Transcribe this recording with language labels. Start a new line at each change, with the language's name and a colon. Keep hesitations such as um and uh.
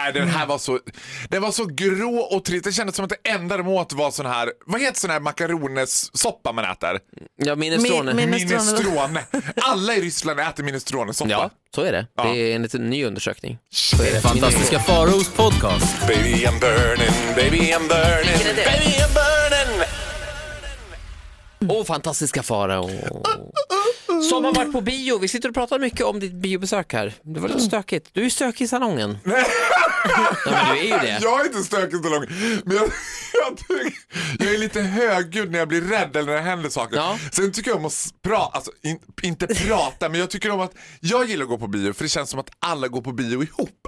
Swedish: Äh, den här var så, den var så grå och trist. Det kändes som att det enda de åt var sån här, vad heter sån här makaron minestronesoppa man äter. Ja, minestrone. Mi Minestron. Alla i Ryssland äter minestronesoppa. Ja, så är det. Det är enligt en ny undersökning. Är är det det fantastiska det? Faros
English: podcast. Baby I'm burning, baby I'm burning, baby I'm burning.
Swedish: Åh, oh, fantastiska Farao. Som har varit på bio. Vi sitter och pratar mycket om ditt biobesök här. Det var lite stökigt. Du är stökig i salongen. ja, du är ju det. Jag är inte stökig i salongen. Men jag, jag, tycker, jag är lite högljudd när jag blir rädd eller när det händer saker. Ja. Sen tycker jag om att prata, alltså, in, inte prata, men jag tycker om att jag gillar att gå på bio för det känns som att alla går på bio ihop.